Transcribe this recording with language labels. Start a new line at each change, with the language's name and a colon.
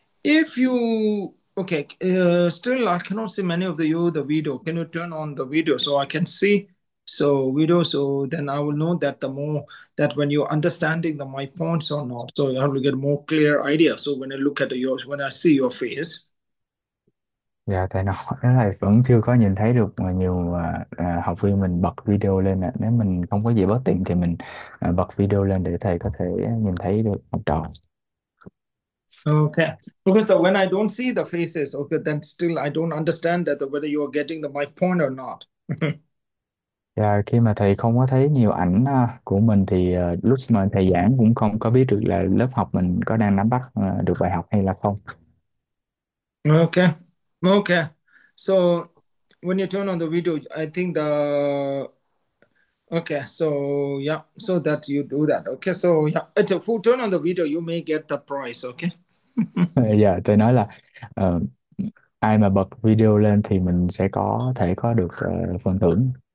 English: If you okay, still I cannot see many of you the video. Can you turn on the video so I can see? So video, so then I will know that the more that when you're understanding the my points or not, so you have to get more clear idea. So when I look at yours, when I see your face.
Vietnamese: Dạ, thầy nói là vẫn chưa có nhìn thấy được mà nhiều học viên mình bật video lên ạ. Nếu mình không có gì bất tiện thì mình bật video lên để thầy có thể nhìn thấy được học trò.
English: Okay, because when I don't see the faces, okay, then still I don't understand that whether you are getting the my point or not.
Vietnamese: Và khi mà thầy không có thấy nhiều ảnh của mình thì lúc mà thầy giảng cũng không có biết được là lớp học mình có đang nắm bắt được bài học hay là không.
English: Okay. So when you turn on the video, I think the okay, so yeah, so that you do that. Okay, so yeah, if you turn on the video, you may get the prize, okay?
Vietnamese: Yeah, tôi nói là ai mà bật video lên thì mình sẽ có thể có được phần thưởng.